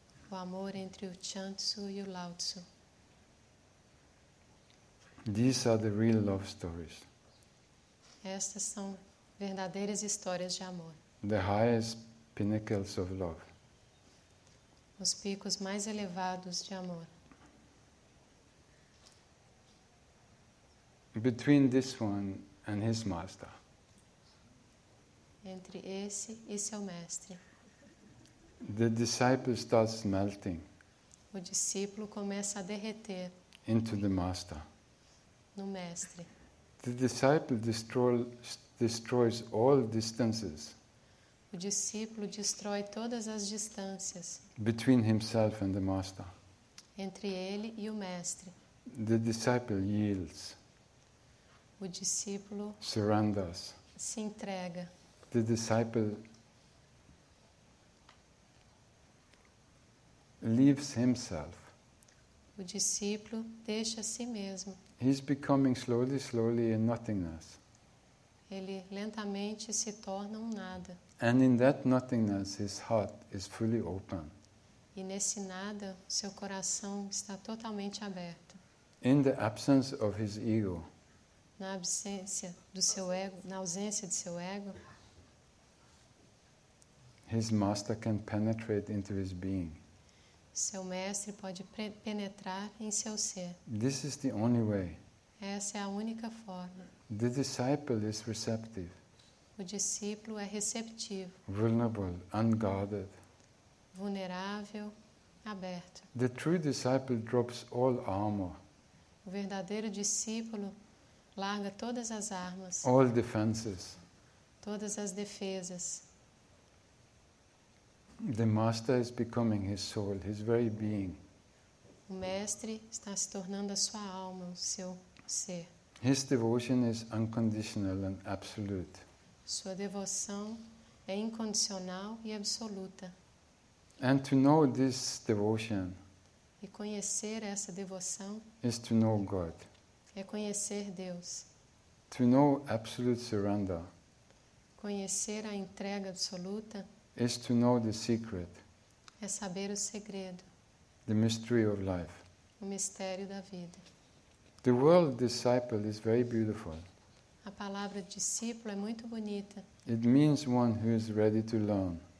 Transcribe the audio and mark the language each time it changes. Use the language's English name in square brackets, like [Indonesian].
[Portuguese] O amor entre o Chan Tzu e o Lao Tzu. [English] These are the real love stories. [Portuguese] Estas são verdadeiras histórias de amor. [English] The highest pinnacles of love. [Portuguese] Os picos mais elevados de amor. [English] Between this one and his master. [Portuguese] Entre esse e seu mestre. [English] The disciple starts melting. [Portuguese] O discípulo começa a derreter. [English] Into the master. [Portuguese] No mestre. [English] The disciple destroys all distances. [Portuguese] O discípulo destrói todas as distâncias. [English] Between himself and the master. [Portuguese] Entre ele e o mestre. [English] The disciple yields. [Portuguese] O discípulo [English] surrenders. [Portuguese] Se entrega. [English] The disciple leaves himself. [Portuguese] O discípulo deixa a si mesmo. [English] He is becoming slowly, slowly a nothingness. [Portuguese] Ele lentamente se torna um nada. [English] And in that nothingness, his heart is fully open. [Portuguese] E nesse nada, seu coração está totalmente aberto. [English] In the absence of his ego. [Portuguese] Na ausência do seu ego, [English] His master can penetrate into his being. [Portuguese] Seu mestre pode penetrar em seu ser. [English] This is the only way. [Portuguese] Essa é a única forma. [English] The disciple is receptive. [Portuguese] O discípulo é receptivo. [English] Vulnerable, unguarded. [Portuguese] Vulnerável, aberto. [English] The true disciple drops all armor. [Portuguese] O verdadeiro discípulo larga todas as armas. [English] All defenses. [Portuguese] Todas as defesas. [English] The master is becoming his soul, his very being. [Portuguese] O mestre está se tornando a sua alma, o seu ser. [English] His devotion is unconditional and absolute. [Portuguese] Sua devoção é incondicional e absoluta. [English] And to know this devotion. [Portuguese] E conhecer essa devoção. [English] Is to know God. [Portuguese] É conhecer Deus. [English] To know absolute surrender. [Portuguese] Conhecer a entrega absoluta. [English] Is to know the secret. [Portuguese] É saber o segredo. [English] The mystery of life. [Portuguese] O mistério da vida. [English] The word disciple is very beautiful. [Portuguese] A palavra discípulo é muito bonita. [English] It means one who is ready to learn.